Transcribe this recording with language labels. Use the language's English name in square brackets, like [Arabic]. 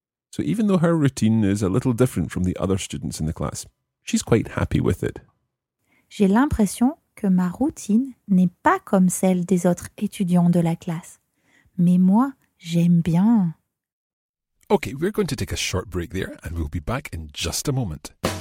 [English] So even though her routine is a little different from the other students in the class, she's quite happy with it. [French] J'ai l'impression que ma routine n'est pas comme celle des autres étudiants de la classe. Mais moi, j'aime bien. [English] Okay, we're going to take a short break there and we'll be back in just a moment.